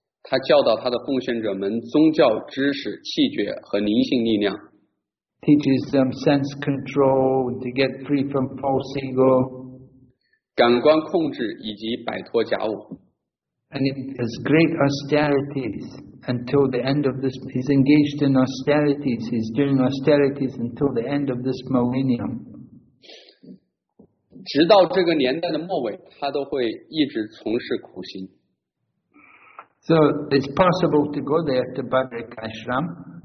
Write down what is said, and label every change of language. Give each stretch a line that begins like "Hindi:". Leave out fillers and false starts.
Chinese: 他教导他的奉献者们宗教知识、气绝和灵性力量。
English: Teaches them sense control to get free from false ego.
Chinese: 感官控制以及摆脱假我。
English: And he has great austerities until the end of this. He's engaged in austerities. He's doing austerities until the end of this millennium.
Chinese: 直到这个年代的末尾，他都会一直从事苦行。
English: So it's possible to go there to Badrik Ashram.